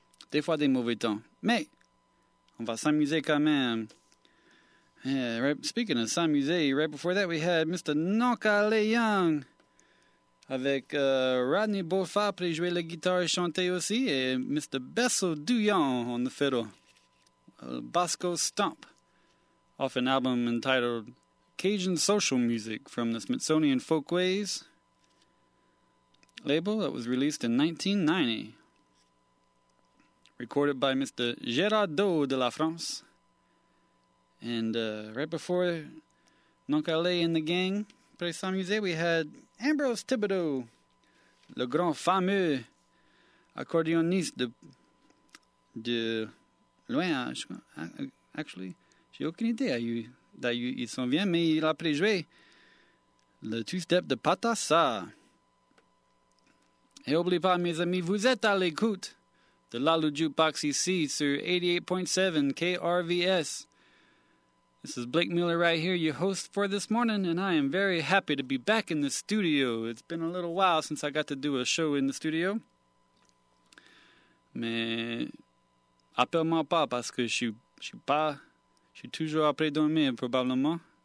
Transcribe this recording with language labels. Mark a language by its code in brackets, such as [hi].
[fr] Des fois, des mauvais temps. Mais, on va s'amuser quand même. [en] Yeah, right, speaking of s'amuser, right before that, we had Mr. [fr] Nokale Young avec Rodney Beaufa pour jouer la guitare et chanter aussi, et Mr. [en] Bessel Duyon on the fiddle. Bosco Stomp off an album entitled Cajun Social Music from the Smithsonian Folkways label that was released in 1990. Recorded by Mr. Gerardo de la France. And right before Noncalé and the gang play some music, we had Ambrose Thibodeau, [fr] le grand fameux accordioniste de loin. Actually, j'ai aucune idée d'où il s'en vient, mais il a préjoué le two-step de Patassa. Et n'oubliez pas, mes amis, vous êtes à l'écoute de Lalu Jukebox ici sur 88.7 KRVS. [en] This is Blake Miller right here, your host for this morning, and I am very happy to be back in the studio. It's been a little while since I got to do a show in the studio. [fr] Mais appelle-moi pas parce que je suis toujours après dormir, probablement.